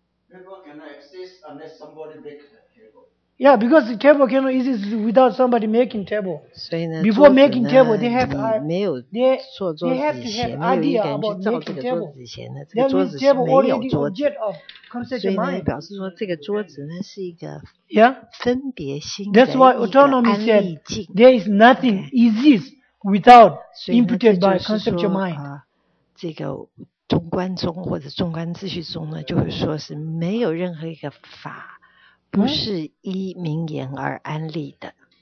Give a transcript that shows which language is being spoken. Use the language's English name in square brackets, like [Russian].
[English] Table cannot exist unless somebody makes the table. Yeah, because the table cannot exist without somebody making table. [Chinese] 所以呢, [English] Before making table, they have, [Chinese] 没有做桌子以前, [English] they have to have idea about making table. [Chinese] 这个桌子是没有桌子。 [English] That means table already object of conceptual mind. [Chinese] 所以呢, 表示说这个桌子呢, 是一个, [English] yeah? [Chinese] 分别心的, [English] That's why autonomy said, there is nothing exists. Without imputed by conceptual mind. [Chinese] 所以呢，这就是说，这个中观中或者中观秩序中呢，就是说是没有任何一个法不是依名言而安立的。